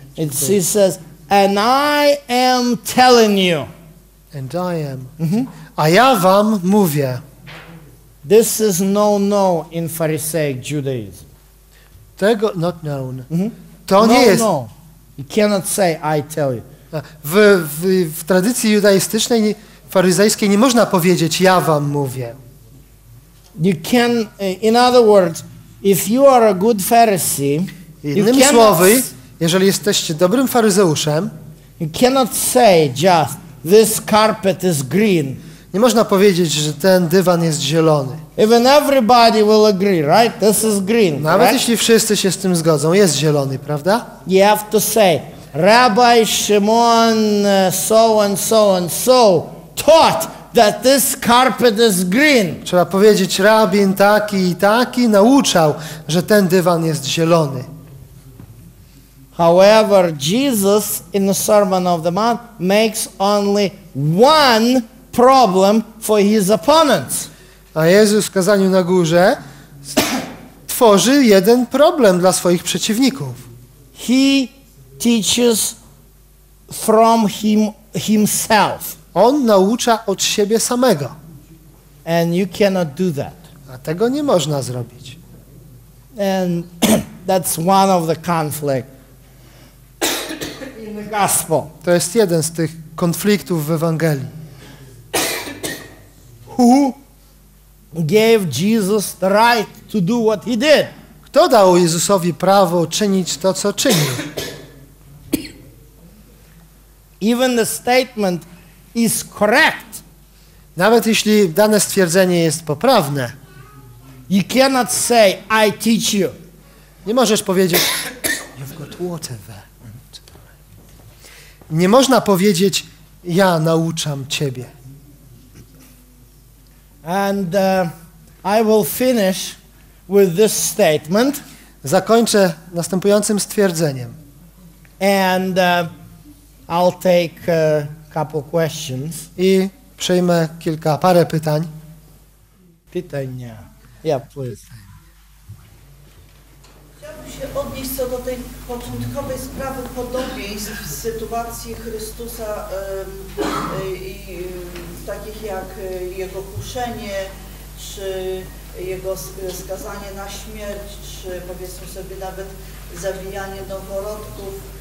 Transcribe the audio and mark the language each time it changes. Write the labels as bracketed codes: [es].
[en] It says, and I am telling you. And I am. [pl] A ja wam mówię. [en] This is no no in Pharisaic Judaism. Tego not known. [pl] To no, nie jest. No. [en] You cannot say I tell you. [pl] W tradycji judaistycznej faryzejskiej nie można powiedzieć ja wam mówię. [en] You can, in other words, if you are a good Pharisee, [pl] innymi słowy, jeżeli jesteście dobrym faryzeuszem, [en] You cannot say just this carpet is green. [pl] Nie można powiedzieć, że ten dywan jest zielony. [en] Even everybody will agree, right? This is green. [pl] Nawet [en] right? [pl] Jeśli wszyscy się z tym zgodzą, jest zielony, prawda? [en] You have to say, Rabbi Shimon so and so and so taught that this carpet is green. [pl] Trzeba powiedzieć, rabin taki i taki nauczał, że ten dywan jest zielony. [en] However, Jesus in the Sermon of the Mount makes only one problem for his opponents. [pl] A Jezus w kazaniu na górze tworzy jeden problem dla swoich przeciwników. [en] He teaches from himself. [pl] On naucza od siebie samego. [en] And you cannot do that. [pl] A tego nie można zrobić. [en] And that's one of the conflicts in the gospel. [pl] To jest jeden z tych konfliktów w Ewangelii. [en] Who gave Jesus the right to do what he did? [pl] Kto dał Jezusowi prawo czynić to, co czynił? [en] Even the statement is correct. [pl] Nawet jeśli dane stwierdzenie jest poprawne. [en] You cannot say I teach you. [pl] Nie możesz powiedzieć [en] you've got water there. [pl] Nie można powiedzieć ja nauczam ciebie. [en] And I will finish with this statement. [pl] Zakończę następującym stwierdzeniem. [en] And I'll take couple questions. [pl] I przyjmę kilka, parę pytań. [en] Pytania. Yeah, please. [pl] Chciałbym się odnieść co do tej początkowej sprawy podobieństw w sytuacji Chrystusa i takich jak Jego kuszenie, czy Jego skazanie na śmierć, czy powiedzmy sobie nawet zabijanie noworodków.